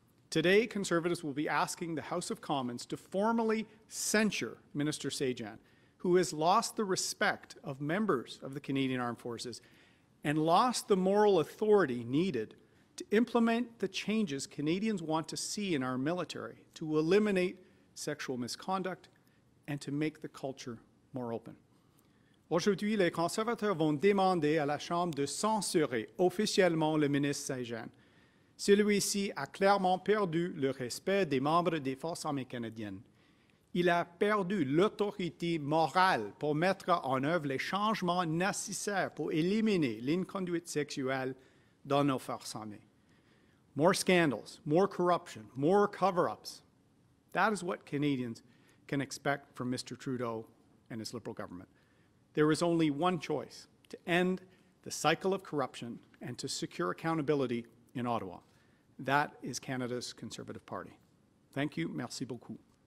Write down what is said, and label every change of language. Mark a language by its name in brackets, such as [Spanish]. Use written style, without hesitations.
[English] Today, Conservatives will be asking the House of Commons to formally censure Minister Sajjan, who has lost the respect of members of the Canadian Armed Forces and lost the moral authority needed to implement the changes Canadians want to see in our military to eliminate sexual misconduct and to make the culture more open. [French] Aujourd'hui, les conservateurs vont demander à la Chambre de censurer officiellement le ministre Sajjan. Celui-ci a clairement perdu le respect des membres des Forces armées canadiennes. Il a perdu l'autorité morale pour mettre en œuvre les changements nécessaires pour éliminer l'inconduite sexuelle dans nos Forces armées. [English] More scandals, more corruption, more cover-ups. That is what Canadians can expect from Mr. Trudeau and his Liberal government. There is only one choice, to end the cycle of corruption and to secure accountability in Ottawa. That is Canada's Conservative Party. Thank you. [French] Merci beaucoup.